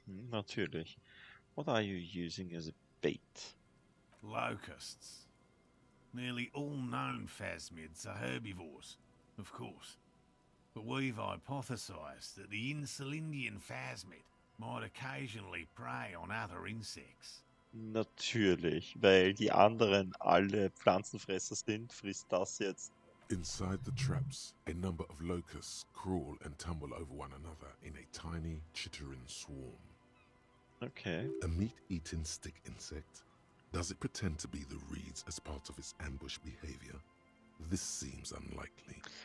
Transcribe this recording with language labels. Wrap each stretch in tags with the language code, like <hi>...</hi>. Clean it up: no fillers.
<de>Natürlich.</de> <en>What are you using as a bait? Locusts. Nearly all known phasmids are herbivores, of course. But we've hypothesized that the Insulindian phasmid might occasionally prey on other insects.</en> <de>Natürlich, weil die anderen alle Pflanzenfresser sind, frisst das jetzt.</de> <en>Inside the traps, a number of locusts crawl and tumble over one another in a tiny, chittering swarm. Okay. A meat-eating stick insect? Does it pretend to be the reeds as part of its ambush behavior? This seems unlikely.</en>